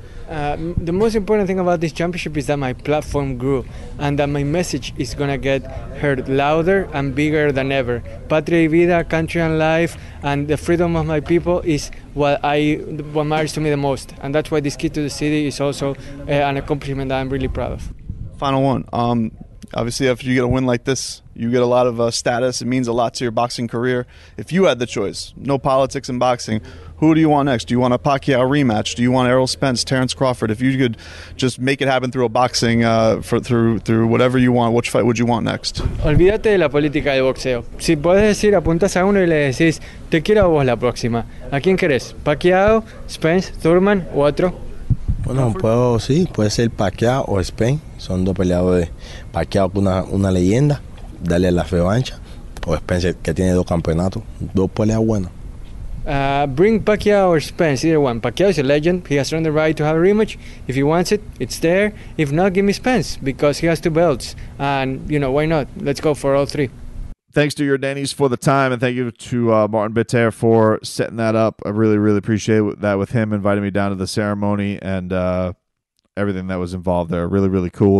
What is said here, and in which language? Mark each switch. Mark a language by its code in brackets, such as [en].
[en] The most important thing about this championship is that my platform grew and that my message is going to get heard louder and bigger than ever. Patria y vida, country and life, and the freedom of my people is what matters to me the most. And that's why this key to the city is also an accomplishment that I'm really proud of. Final one. Obviously, if you get a win like this, you get a lot of status. It means a lot to your boxing career. If you had the choice, no politics in boxing, who do you want next? Do you want a Pacquiao rematch? Do you want Errol Spence, Terrence Crawford? If you could just make it happen through a boxing, through whatever you want, which fight would you want next? [es] Olvídate de la política de boxeo. Si puedes decir, apuntas a uno y le decís, te quiero a vos la próxima. ¿A quién querés? ¿Pacquiao, Spence, Thurman u otro? Bueno, puede ser Pacquiao o Spence. Son dos peleadores. Pacquiao con una leyenda, dale la revancha. O Spence, que tiene dos campeonatos, dos peleas buenas. [en] Bring Pacquiao or Spence, either one. Pacquiao is a legend. He has earned the right to have a rematch. If he wants it, it's there. If not, give me Spence, because he has two belts. And, you know, why not? Let's go for all three. Thanks to your Danny's for the time, and thank you to Martin Bitter for setting that up. I really, really appreciate that with him inviting me down to the ceremony and everything that was involved there. Really, really cool.